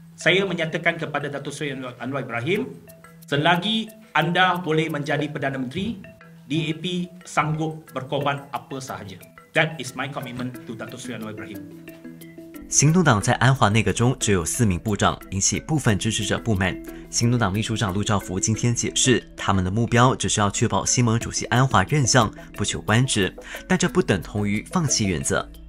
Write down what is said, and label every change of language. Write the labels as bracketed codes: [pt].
[ms] Saya menyatakan kepada Datuk Seri Anwar Ibrahim, selagi anda boleh menjadi Perdana Menteri, DAP sanggup berkorban apa sahaja. [en] That is my commitment to Datuk Seri Anwar Ibrahim. [zh] 行动党在安华内阁中只有四名部长，引起部分支持者不满。行动党秘书长陆兆福今天解释，他们的目标只是要确保西盟主席安华任相，不求官职，但这不等同于放弃原则。